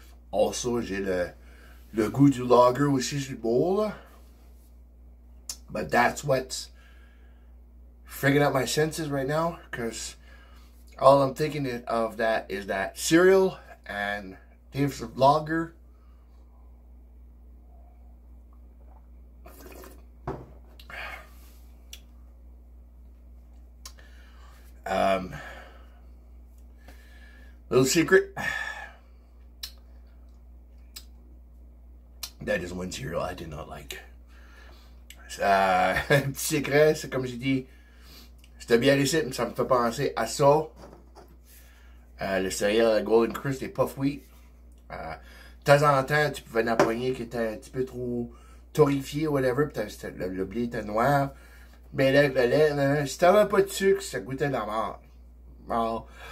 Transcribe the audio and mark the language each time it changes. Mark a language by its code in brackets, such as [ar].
[fr] Also, j'ai le goût du lager aussi, c'est bon. [en] But that's what's freaking out my senses right now, because all I'm thinking of that is that cereal and taste of lager. Little secret. That is one cereal I did not like. [fr] Petit secret, c'est comme j'ai dit. C'était bien réussi, mais ça me fait penser à ça. Le cereal Golden Crisp et Puff Wheat. De temps en temps, tu pouvais n'appoigner qui était un petit peu trop torréfié ou whatever. Peut-être que le blé était noir. Mais là, le lait, là, si t'avais pas de sucre, ça goûtait la mort.